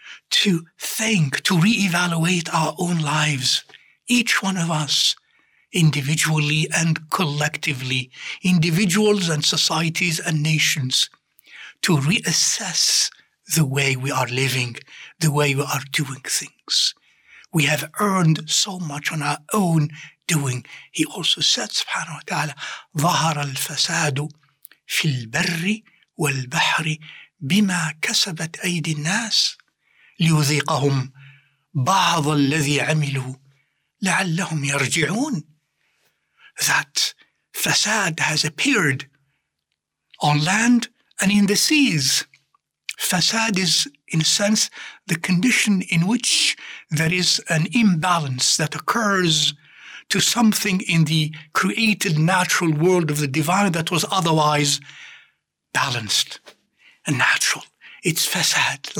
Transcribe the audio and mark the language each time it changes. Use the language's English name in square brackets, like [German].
[English] to think, to reevaluate our own lives, each one of us, individually and collectively, individuals and societies and nations, to reassess the way we are living, the way we are doing things. We have earned so much on our own doing. He also said, subhanahu wa ta'ala, [Arabic] ظَهَرَ الْفَسَادُ فِي الْبَرِّ وَالْبَحْرِ بِمَا كَسَبَتْ أَيْدِ النَّاسِ لِيُذِيقَهُمْ بَعْضَ الَّذِي عَمِلُوا لَعَلَّهُمْ يَرْجِعُونَ. [English] That fasad has appeared on land And in the seas, fasad is, in a sense, the condition in which there is an imbalance that occurs to something in the created natural world of the divine that was otherwise balanced and natural. It's fasad.